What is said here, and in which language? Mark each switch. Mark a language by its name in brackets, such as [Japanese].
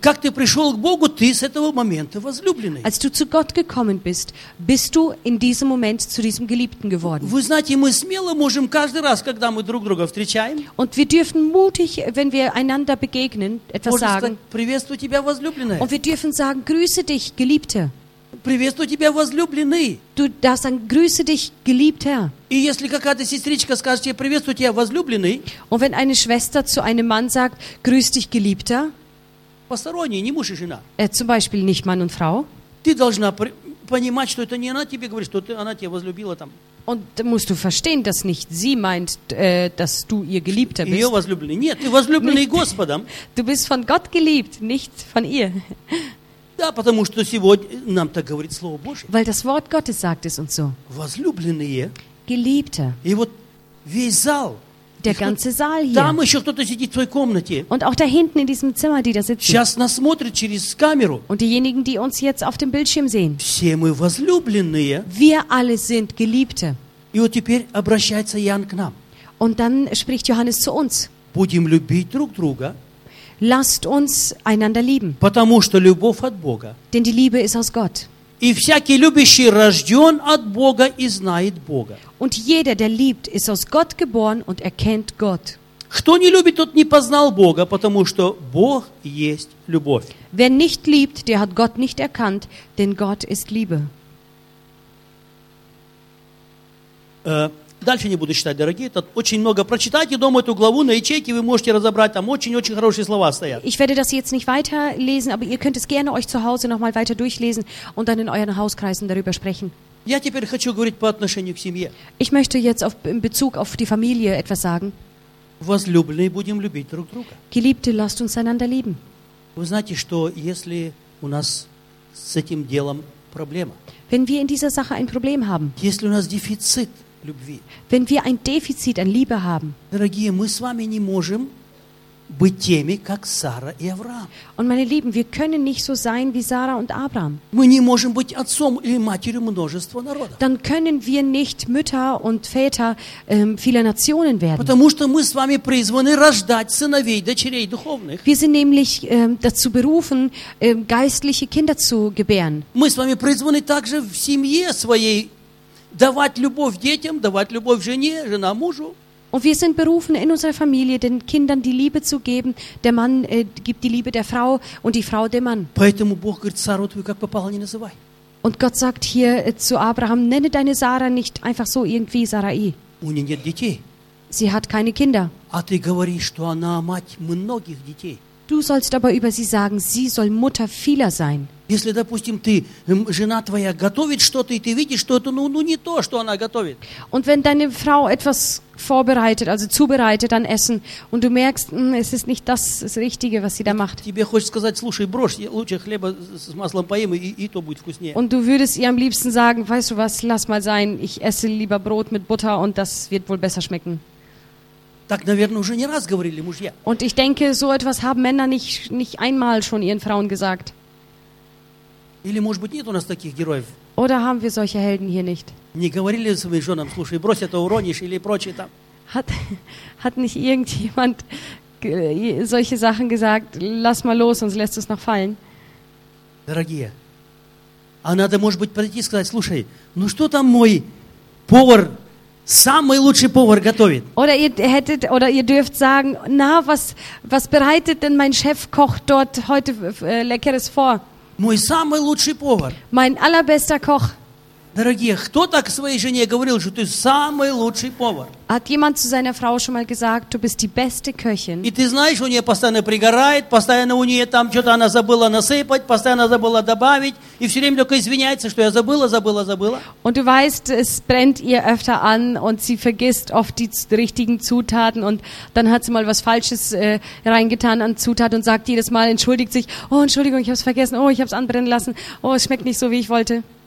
[Russian] Как ты пришел к Богу, ты с этого момента возлюбленный. [German] Als du zu Gott gekommen bist, bist du in diesem Moment zu diesem Geliebten geworden. [Russian] Вы знаете, мы смело можем каждый раз, когда мы друг друга встречаем. [German] Und wir dürfen mutig, wenn wir einander begegnen, etwas sagen. [Russian] Приветствую тебя, возлюбленная. [German] Und wir dürfen sagen, grüße dich, Geliebte. [Russian] Приветствую тебя, возлюбленный. [German] Du darfst sagen, grüße dich, Geliebter. [Russian] И если какая-то сестричка скажет тебе, приветствую тебя, возлюбленный. [German] Und wenn eine Schwester zu einem Mann sagt, grüß dich, Geliebter. [Russian] Посторонний, не муж и жена. [German] Zum Beispiel nicht Mann und Frau. [Russian] Ты должна понимать, что это не она тебе говорит, что она тебя возлюбила там. [German] Und musst du verstehen, dass nicht sie meint, dass du ihr Geliebter bist. [Russian] Ее возлюбленный. Нет, ты возлюбленный Господом. [German] Du bist von Gott geliebt, nicht von ihr. [Russian] Да, потому что сегодня нам так говорит Слово Божие. [German] Weil das Wort Gottes sagt es uns so. [Russian] Возлюбленные. [German] Geliebte. [Russian] И вот весь зал. [German] Der ganze Saal hier. [Russian] Там еще кто-то сидит в твоей комнате. [German] Und auch da hinten in diesem Zimmer, die da sitzen. [Russian] Сейчас нас смотрят через камеру. [German] Und diejenigen, die uns jetzt auf dem Bildschirm sehen. [Russian] Все мы возлюбленные. [German] Wir alle sind Geliebte. [Russian] И вот теперь обращается Иоанн к нам. [German] Und dann spricht Johannes zu uns. [Russian] Будем любить друг друга. [German] Lasst uns einander lieben. [Russian] Потому что любовь от Бога. [German] Denn die Liebe ist aus Gott. [Russian] И всякий любящий рожден от Бога и знает Бога. [German] Und jeder, der liebt, ist aus Gott geboren und erkennt Gott. [Russian] Кто не любит, тот не познал Бога, потому что Бог есть любовь. [German] Wer nicht liebt, der hat Gott nicht erkannt, denn Gott ist Liebe. [Russian] Дальше не буду читать, дорогие. Это очень много. Прочитайте дома эту главу на ячейке, вы можете разобрать. Там очень-очень хорошие слова стоят. [German] Ich werde das jetzt nicht weiterlesen, aber ihr könnt es gerne euch zu Hause nochmal weiter durchlesen und dann in euren Hauskreisen darüber sprechen. [Russian] Я теперь хочу говорить по отношению к семье. [German] Ich möchte jetzt auf, in Bezug auf die Familie etwas sagen. [Russian] Возлюбленные будем любить друг друга. [German] Geliebte, lasst uns einander lieben. [Russian] Вы знаете, что если у нас с этим делом проблема? [German] Wenn wir in dieser Sache ein Problem haben. [Russian] Если у нас дефицит. [German] Wenn wir ein Defizit an Liebe haben. [Russian] Дорогие, мы с вами не можем быть теми, как Сара и Авраам. [German] Und meine Lieben, wir können nicht so sein wie Sara und Abraham. [Russian] Мы не можем быть отцом или матерью множества народов. [German] Dann können wir nicht Mütter und Väter vieler Nationen werden. [Russian] Потому что мы с вами призваны рождать сыновей, дочерей духовных. [German] Wir sind nämlich dazu berufen, geistliche Kinder zu gebären. [Russian] Мы с вами призваны также в семье своей давать любовь детям, давать любовь жене, жена мужу. [German] Und wir sind berufen in unserer Familie den Kindern die Liebe zu geben. Der Mann gibt die Liebe der Frau und die Frau dem Mann. [Russian] Поэтому Бог говорит: Сару твою как попало не называй. [German] Und Gott sagt hier zu Abraham: Nenne deine Sara nicht einfach so irgendwie Sarai. [Russian] У неё нет детей. [German] Sie hat keine Kinder. [Russian] А ты говоришь, что она мать многих детей. [German] Du sollst aber über sie sagen, sie soll Mutter vieler sein. [Russian] Если, допустим, ты, жена твоя готовит что-то, и ты видишь, что это ну не то, что она готовит. [German] Und wenn deine Frau etwas vorbereitet, also zubereitet an Essen, und du merkst, es ist nicht das, das Richtige, was sie da macht. [Russian] Тебе хочется сказать, слушай, брошь, лучше хлеба с маслом поем, и то будет вкуснее. [German] Und du würdest ihr am liebsten sagen, weißt du was, lass mal sein, ich esse lieber Brot mit Butter und das wird wohl besser schmecken. [Russian] Так, наверное, уже не раз говорили мужья. [German] Und ich denke, so etwas haben Männer nicht einmal schon ihren Frauen gesagt. [Russian] Или, может быть, нет у нас таких героев? [German] Oder haben wir solche Helden hier nicht? [Russian] Не говорили своим женам, слушай, брось это, уронишь или прочее там? [German] Hat nicht irgendjemand solche Sachen gesagt? Lass mal los, sonst lässt es noch fallen. [Russian] Дорогие, а надо, может быть, подойти и сказать, слушай, ну что там мой повар? Самый лучший повар готовит. [German] Oder ihr hättet, oder ihr dürft sagen, na, was bereitet denn mein Chefkoch dort heute Leckeres vor? [Russian] Мой самый лучший повар. [German] Mein allerbester Koch. [Russian] Дорогие, кто так своей жене говорил, что ты самый лучший повар? [German] Hat jemand zu seiner Frau schon mal gesagt, du bist die beste Köchin? [Russian] И ты знаешь, у нее постоянно пригорает, постоянно у нее там что-то она забыла насыпать, постоянно забыла добавить, и все время только извиняется, что я забыла. [German] Und du weißt, es brennt ihr öfter an und sie vergisst oft die richtigen Zutaten und dann hat sie mal was Falsches reingetan an Zutaten und sagt jedes Mal, entschuldigt sich, oh, Entschuldigung, ich habe es vergessen, oh, ich habe es anbrennen lassen, oh, es schmeckt nicht so, wie ich wollte.